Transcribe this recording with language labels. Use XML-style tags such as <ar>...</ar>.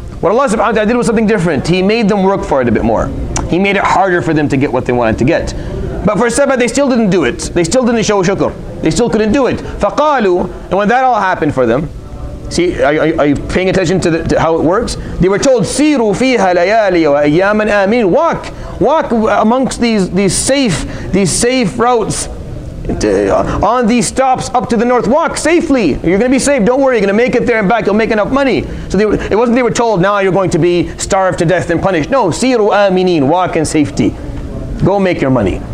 <en>What Allah subhanahu wa ta'ala did was something different. He made them work for it a bit more. He made it harder for them to get what they wanted to get. But for Saba, they still didn't do it. They still didn't show shukr. They still couldn't do it. فَقَالُوا And when that all happened for them, see, are you paying attention to, to how it works? They were told,</en> <ar>سِيرُوا فِيهَا لَيَالِيَ وَأَيَّامًا آمِينَ</ar> <en>Walk! Walk amongst these safe routes. On these stops up to the north, walk safely. You're going to be safe. Don't worry. You're going to make it there and back. You'll make enough money. So they were told, now you're going to be starved to death and punished. No,</en> <ar>siru aminin,</ar> <en>walk in safety. Go make your money.</en>